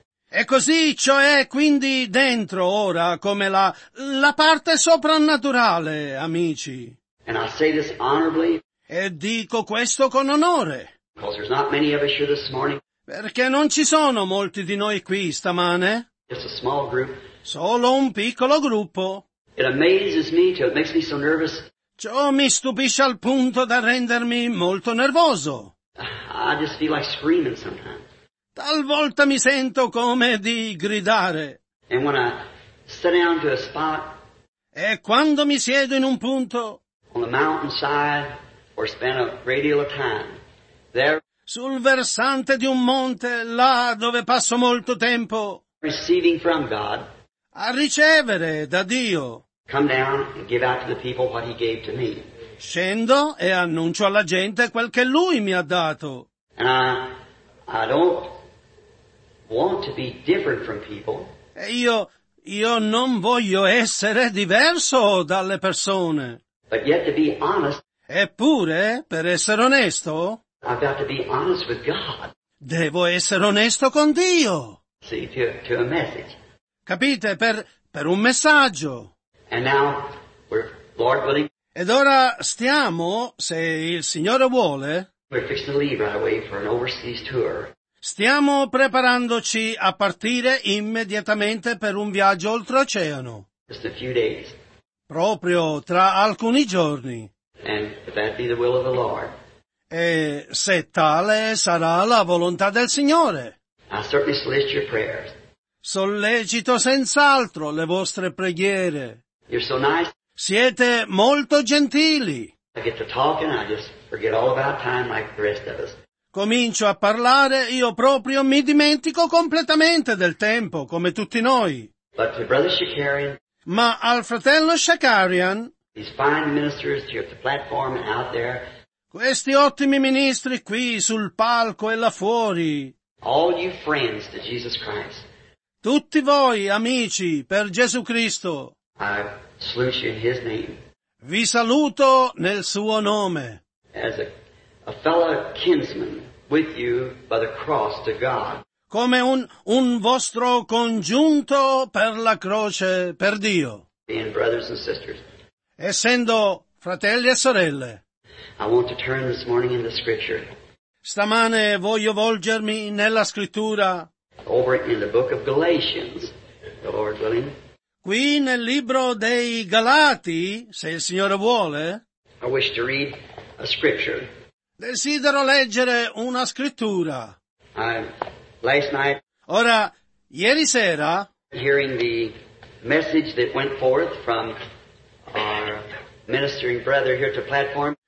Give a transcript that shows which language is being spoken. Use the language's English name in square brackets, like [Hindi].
[Italian] E così, cioè, quindi dentro ora, come la parte soprannaturale, amici. [English] And I say this honorably. [Italian] E dico questo con onore. [English] Because there's not many of us here this morning. [Italian] Perché non ci sono molti di noi qui stamane. [English] Just a small group. [Italian] Solo un piccolo gruppo. [English] It amazes me too. It makes me so nervous. [Italian] Ciò mi stupisce al punto da rendermi molto nervoso. [English] I just feel like screaming sometimes. [Italian] Talvolta mi sento come di gridare. [English] And when I sit down to a spot, [Italian] e quando mi siedo in un punto, [English] on the mountainside, or spend a great deal of time, there, [Italian] sul versante di un monte, là dove passo molto tempo, [English] receiving from God, [Italian] a ricevere da Dio, [English] come down and give out to the people what he gave to me. [Italian] Scendo e annuncio alla gente quel che lui mi ha dato. [English] And I don't want to be different from people. [Italian] E io non voglio essere diverso dalle persone. [English] But yet to be honest, [Italian] eppure, per essere onesto, [English] I've got to be honest with God. [Italian] Devo essere onesto con Dio. [English] See, to a message. [Italian] Capite, per un messaggio. [English] And now, we're, Lord willing, [Italian] ed ora stiamo, se il Signore vuole, [English] we're fixing to leave right away for an overseas tour. [Italian] Stiamo preparandoci a partire immediatamente per un viaggio oltreoceano. [English] Just a few days. [Italian] Proprio tra alcuni giorni. [English] And if that be the will of the Lord. [Italian] E se tale sarà la volontà del Signore. [English] I certainly solicit your prayers. [Italian] Sollecito senz'altro le vostre preghiere. [English] You're so nice. [Italian] Siete molto gentili. [English] I get to talking, I just forget all about time like the rest of us. [Italian] Comincio a parlare, io proprio mi dimentico completamente del tempo, come tutti noi. [English] But to Brother Shakarian, [Italian] ma al fratello Shakarian, [English] these fine ministers here at the platform and out there, [Italian] questi ottimi ministri qui sul palco e là fuori, [English] all you friends to Jesus Christ, [Italian] tutti voi amici per Gesù Cristo, [English] I salute you in his name. [Italian] Vi saluto nel suo nome. [English] As a fellow kinsman with you by the cross to God. [Italian] Come un vostro congiunto per la croce per Dio. [English] Being brothers and sisters. [Italian] Essendo fratelli e sorelle. [English] I want to turn this morning into scripture. [Italian] Stamane voglio volgermi nella scrittura. [English] Over in the book of Galatians, the Lord willing. [Italian] Qui nel libro dei Galati, se il Signore vuole. [English] I wish to read a scripture. [Italian] Desidero leggere una scrittura. [English] Last night, [Italian] ora, ieri sera, [English] hearing the message that went forth from our ministering brother here to platform,